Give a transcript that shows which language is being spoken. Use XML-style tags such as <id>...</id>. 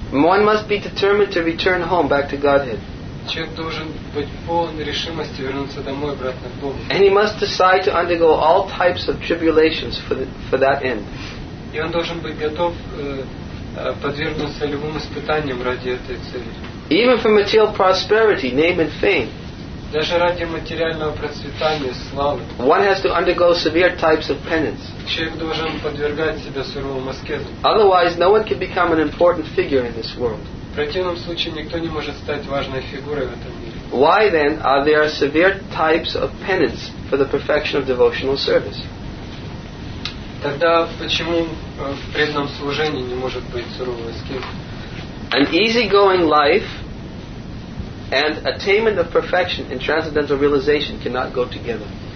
<en>one must be determined to return home back to Godhead.</en> <ru>Человек должен быть полон решимости вернуться домой обратно к Богу.</ru> <en>And he must decide to undergo all types of tribulations for that end.</en> <ru>И он должен быть готов подвергнуться любым испытаниям ради этой цели.</ru> <en>Even for material prosperity, name and fame.</en> <ru>Даже ради материального процветания, славы.</ru> <en>One has to undergo severe types of penance.</en> <ru>Человек должен подвергать себя суровым аскезам.</ru> <en>Otherwise, no one can become an important figure in this world.</en> <ru>В противном случае никто не может стать важной фигурой в этом мире.</ru> <en>Why then are there severe types of penance for the perfection of devotional service?</en> <ru>Тогда почему в преданном служении не может быть суровой аскезы?</ru> <en>An easygoing life and attainment of perfection in transcendental realization cannot go together.</en>